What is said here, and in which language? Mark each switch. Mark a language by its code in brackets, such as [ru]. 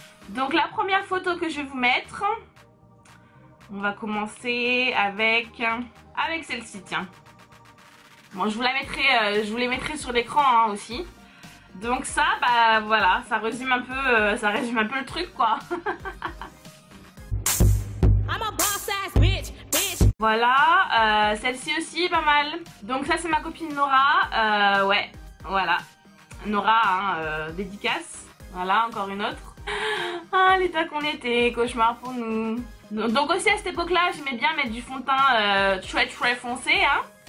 [fr] Donc la première photo que je vais vous mettre, on va commencer avec celle-ci, tiens. Bon, je vous la mettrai, je vous les mettrai sur l'écran hein, aussi. Donc ça, bah voilà, ça résume un peu le truc, quoi. [en] I'm a boss ass bitch, bitch. [fr] Voilà, celle-ci aussi, pas mal. Donc ça, c'est ma copine Nora, ouais, voilà. Nora, hein, dédicace, voilà, encore une autre. Ah, l'état qu'on était, cauchemar pour nous. Donc aussi à cette époque-là, j'aimais bien mettre du fond de teint très très foncé, hein.